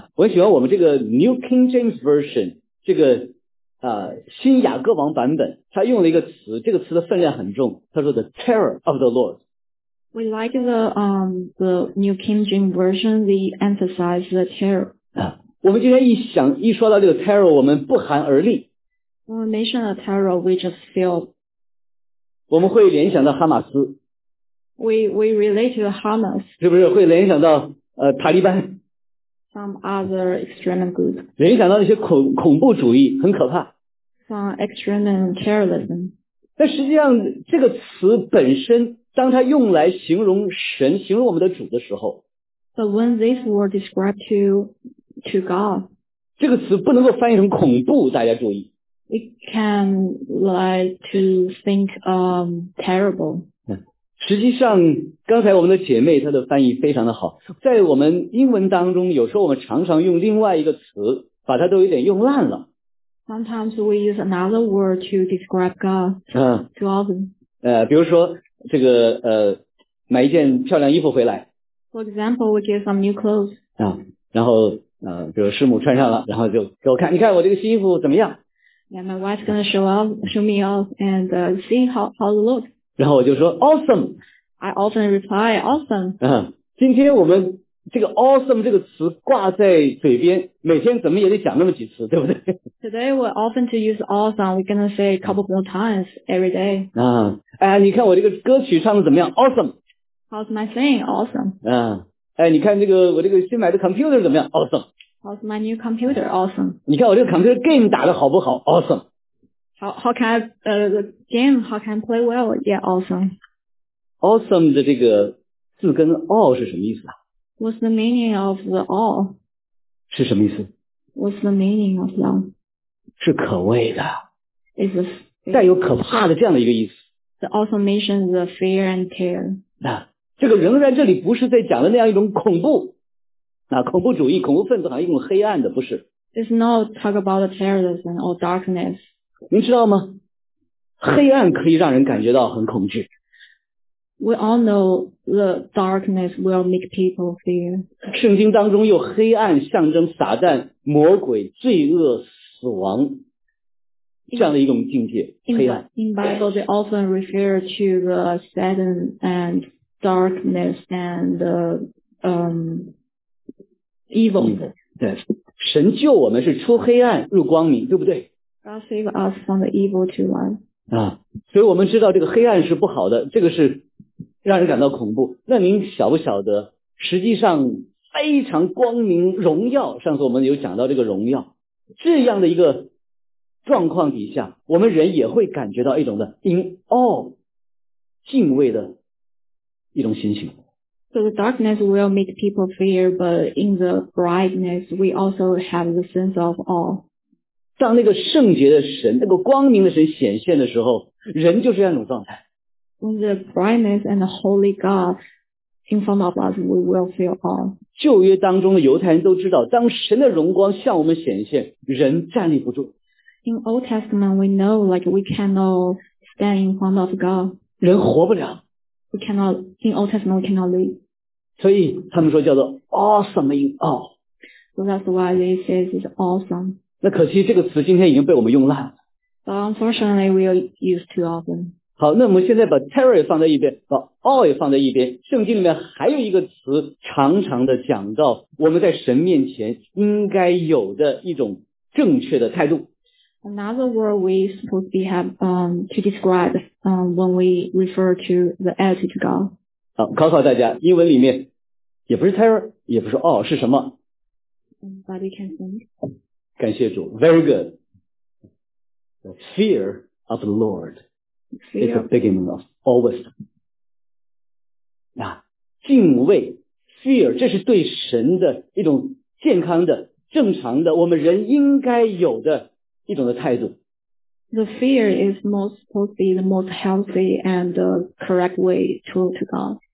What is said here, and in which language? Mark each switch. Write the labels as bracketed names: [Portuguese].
[Chinese] 我很喜欢我们这个 New King James Version, 这个新雅各王版本他用了一个词这个词的分量很重他说 [English] the terror of the Lord. We like the New King James Version, they emphasize the terror. [Chinese] 我们今天一说到这个 terror, 我们不寒而栗。 [English] When we mention the terror, we just feel. [Chinese] 我们会联想到哈马斯。 [English] We relate to Hamas. [Chinese] 是不是会联想到塔利班。 [English] Some other extremist group. [Chinese] 联想到那些恐怖主义很可怕。 [English] Some extremist terrorism. [Chinese] 但实际上这个词本身当它用来形容神形容我们的主的时候。 [English] But when this word described to God. [Chinese] 这个词不能够翻译成恐怖大家注意。 [English] It can like to think terrible. [Chinese] 实际上刚才我们的姐妹她的翻译非常的好在我们英文当中有时候我们常常用另外一个词把它都有点用烂了 [English] Sometimes we use another word to describe God to often [Chinese] 比如说这个买一件漂亮衣服回来 [English] For example we get some new clothes [Chinese] 然后比如师母穿上了然后就给我看你看我这个新衣服怎么样 [English] Yeah, my wife's gonna show me off and see how it looks [Chinese] 然后我就说 awesome [English] I often reply awesome [Chinese] 今天我们这个 awesome 这个词挂在嘴边每天怎么也得讲那么几次对不对 [English] Today we often to use awesome We're gonna say a couple more times every day [Chinese] 你看我这个歌曲唱的怎么样 awesome [English] How's my thing awesome [Chinese] 你看这个我这个新买的 computer 怎么样 awesome [English] How's my new computer awesome [Chinese] 你看我这个 computer game 打的好不好 awesome [English] How can I, the game, how can I play well? Yeah, awesome. [Chinese] Awesome 的这个字跟 all 是什么意思啊? [English] What's the meaning of the all? [Chinese] 是什么意思? [English] What's the meaning of the all? [Chinese] 是可畏的。 [English] It's a, [Chinese] 带有可怕的这样的一个意思。 [English] The also mentions the fear and terror. [Chinese] 这个仍然这里不是在讲的那样一种恐怖。恐怖主义恐怖分子好像一种黑暗的不是。 [English] It's not talk about the terrorism or darkness. [Chinese] 您知道吗黑暗可以让人感觉到很恐惧 [English] We all know the darkness will make people fear [Chinese] 圣经当中有黑暗象征撒旦魔鬼罪恶死亡这样的一种境界 [English] in Bible they often refer to the sadness and darkness and evil. [Chinese] 对，神救我们是出黑暗入光明，对不对？ [English] God save us from the evil to light. [Chinese] 啊，所以我们知道这个黑暗是不好的，这个是让人感到恐怖。那您晓不晓得实际上非常光明荣耀，上次我们有讲到这个荣耀，这样的一个状况底下，我们人也会感觉到一种的 [English] in awe [Chinese] 敬畏的一种心情。 [English] So the darkness will make people fear, but in the brightness, we also have the sense of awe. [Chinese] 当那个圣洁的神，那个光明的神显现的时候，人就是那种状态。 [English] When the brightness and the holy God in front of us, we will feel awe. [Chinese] 旧约当中的犹太人都知道，当神的荣光向我们显现，人站立不住。 [English] In Old Testament, we know like we cannot stand in front of God. [Chinese] 人活不了。 [English] We cannot, in Old Testament, we cannot live. [Chinese] 所以他们说叫做 [English] awesome in awe. So that's why they say it's awesome. [Chinese] 那可惜这个词今天已经被我们用烂了。 [English] But unfortunately, we use too often. [Chinese] 好，那我们现在把 terror 放在一边，把 awe 也放在一边。圣经里面还有一个词常常的讲到我们在神面前应该有的一种正确的态度。 [English] Another word we supposed to be have to describe when we refer to the attitude to God. [Chinese] 好，考考大家，英文里面也不是 terror， 也不是 awe， 是什么？ [English] But you can think. [Chinese] 感谢主 [English] ，very good. The fear of the Lord is the beginning of all wisdom. [Chinese] 啊，敬畏 ，fear， 这是对神的一种健康的、正常的，我们人应该有的。一种的态度。 [English] The fear is most supposed to be the most healthy and the correct way to God.